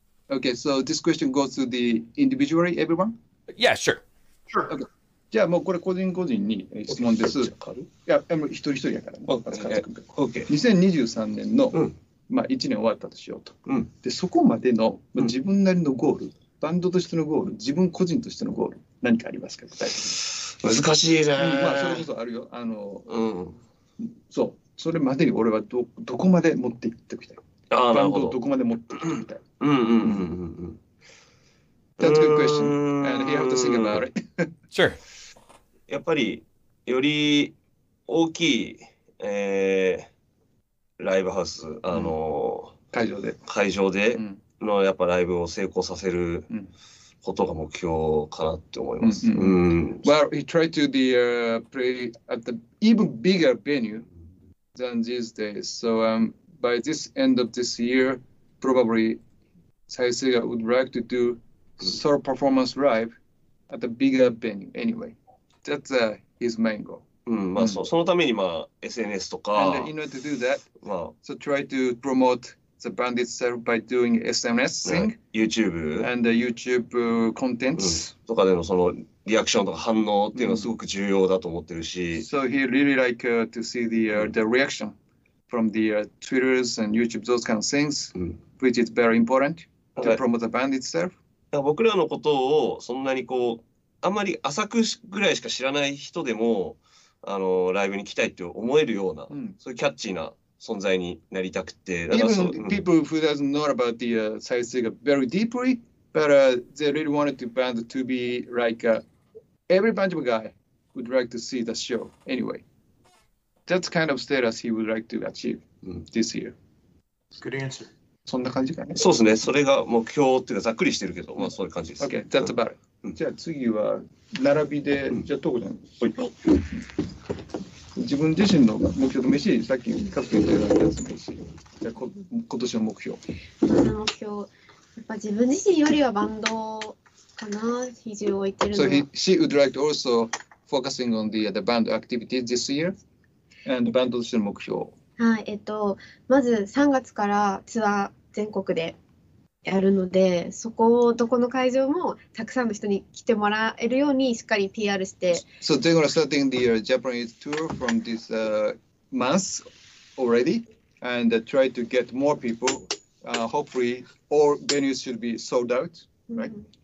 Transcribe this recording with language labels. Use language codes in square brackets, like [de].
[en] Okay, so this question goes to the individually, everyone? Yeah, sure. Sure. Okay. [ja] じゃあもうこれ個人個人に質問です。いや、一人一人やから。 [en] Okay. [ja] 2023年の、うんまあ、1年終わったとしようと、うん、でそこまでの自分なりのゴール、うん、バンドとしてのゴール自分個人としてのゴール何かありますか具体的に難しいね、うんまあ、それこそあるようん、そうそれまでに俺は どこまで持っていっておきたいああ、なるほど。どこまで持ってるみたいな。うんうんうんうん。 [en] That's a good question. And you have to think about it. Sure. [ja] やっぱりより大きい、ライブハウス、会場で。会場で。のやっぱライブを成功させることが目標かなって思います。 [en] Well, he tried to be a play at the even bigger venue than these days. So, by this end of this year, probably Saiseiga would like to do solo performance live at the bigger venue anyway. That's his main goal. [ja] まあ、そのためにまあ SNS とか。 [en] And in order to do that, so try to promoteThe band itself by doing SNS thing, YouTube and the YouTube contents. [ja] とかでのそのリアクションとか反応っていうのはすごく重要だと思ってるし。 [en] So he really like to see the reaction from the Twitters and YouTube those kind of things, which is very important to promote the band itself. [ja] 僕らのことをそんなにこうあんまり浅くぐらいしか知らない人でもあのライブに来たいって思えるような、そういうキャッチーな。存在になりたくて、だからそう、 [en] people who doesn't know about the Saiseiga very deeply, but they really wanted the band to be like every band of a guy would like to see the show anyway. That's kind of status he would like to achieve this year. Good answer. [ja] そんな感じかね。そうですね。それが目標っていうかざっくりしてるけど、まあそういう感じです。 [en] Okay, that's about it. [ja] じゃあ次は並びで、じゃあトコちゃん。はい。自分自身の目標と飯、さっき聞かせていただいたやつ、飯。じゃあ、今年の目標。今年の目標、やっぱ自分自身よりはバンドかな、比重を置いてるのは。 [en] So she would like to also focusing on the band activities this year, and [ja] バンドとしての目標。はい、まず3月からツアー全国でやるので、そこをどこの会場もたくさんの人に来てもらえるようにしっかり PR して。 [en] So they're gonna starting the Japanese tour from this month already, and try to get more people. Hopefully, all venues should be sold out, right?